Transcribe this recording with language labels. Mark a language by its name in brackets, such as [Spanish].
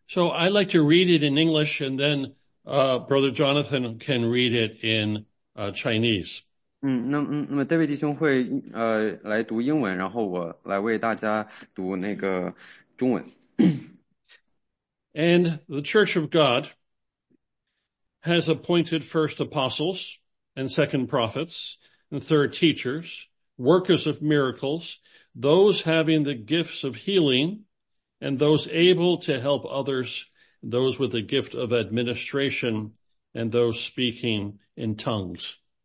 [English] I'd like to read it in English, and then Brother Jonathan can read it in Chinese. [Chinese] 那么David弟兄会来读英文，然后我来为大家读那个中文。 [English] And the Church of God has appointed first apostles and second prophets and third teachers, workers of miracles, those having the gifts of healing and those able to help others, those with the gift of administration and those speaking in tongues.